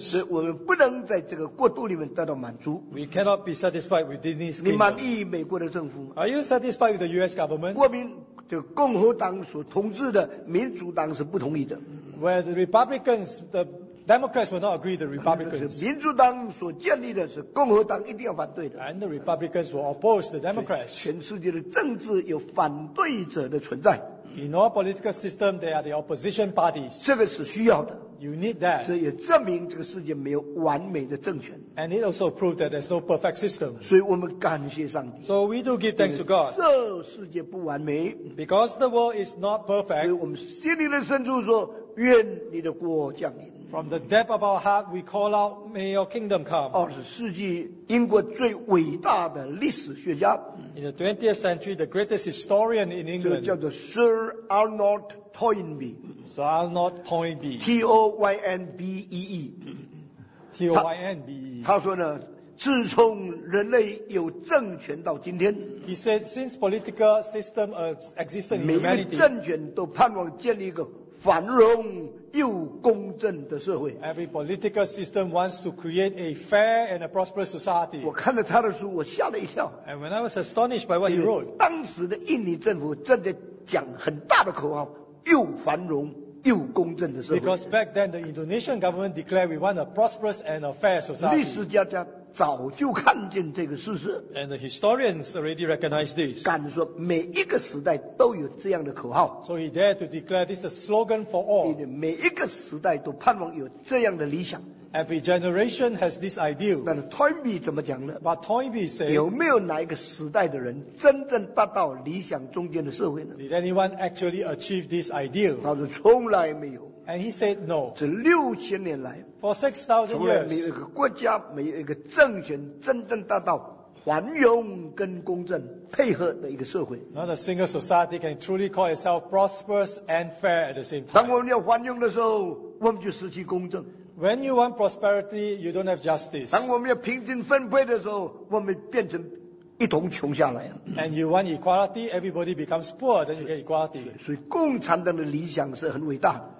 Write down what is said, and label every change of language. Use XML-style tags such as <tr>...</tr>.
<zh>所以我们不能在这个国度里面得到满足。</zh> <en>We cannot be satisfied with this kingdom.</en> <zh>你满意美国的政府吗？</zh> <en>Are you satisfied with the US government?</en> <zh>国民的共和党所统治的民主党是不同意的。</zh> <en>Where the Republicans, the Democrats will not agree with the Republicans.</en> <zh>民主党所建立的是共和党一定要反对的。</zh> <en>And the Republicans will oppose the Democrats.</en> <zh>全世界的政治有反对者的存在。</zh> <en>In our political system, there are the opposition parties.</en> <zh>这个是需要的。</zh> <en>You need that.</en> <zh>这也证明这个世界没有完美的政权。</zh> <en>And it also proves that there's no perfect system.</en> <zh>所以我们感谢上帝。</zh> <en>So we do give thanks to God.</en> <zh>这世界不完美。</zh> <en>Because the world is not perfect.</en> <zh>所以我们心里的深处说，愿你的国降临。</zh> <en>From the depth of our heart, we call out, may your kingdom come. 20th century,</en> <zh>英国最伟大的历史学家。</zh> <en>In the 20th century, the greatest historian in England.</en> <zh>叫做 Sir Arnold Toynbee.</zh> <en>Sir Arnold Toynbee. T-O-Y-N-B-E-E. T-O-Y-N-B-E.</en> <zh>他说呢，自从人类有政权到今天，</zh> <en>He said, since political system existed in humanity,</en> <zh>每一个政权都盼望建立一个繁荣又公正的社会。</zh> <en>Every political system wants to create a fair and a prosperous society.</en> <zh>我看了他的书，我吓了一跳。</zh> <en>And when I was astonished by what he wrote,</en> <zh>当时的印尼政府正在讲很大的口号，又繁荣又公正的社会。</zh> <en>Because back then the Indonesian government declared we want a prosperous and a fair society.</en> <zh>历史家家早就看见这个事实。</zh> <en>And the historians already recognized this.</en> <zh>敢说每一个时代都有这样的口号。</zh> <en>So he dared to declare this a slogan for all.</en> <zh>每一个时代都盼望有这样的理想。</zh> <en>Every generation has this ideal.</en> <zh>那 Toynbee 怎么讲呢？</zh> <en>But Toynbee said,</en> <zh>有没有哪一个时代的人真正达到理想中间的社会呢？</zh> <en>Did anyone actually achieve this ideal?</en> <zh>他说从来没有。</zh> <en>And he said no.</en> <zh>这六千年来</zh> <en>For 6,000 years,</en> <zh>从来没有一个国家，没有一个政权真正达到繁荣跟公正配合的一个社会。</zh> <en>Not a single society can truly call itself prosperous and fair at the same time.</en> <zh>当我们要繁荣的时候，我们就失去公正。</zh> <en>When you want prosperity, you don't have justice.</en> <zh>当我们要平均分配的时候，我们变成一同穷下来。</zh> <en>And you want equality, everybody becomes poor, then you get equality.</en> <zh>所以共产党的理想是很伟大。</zh>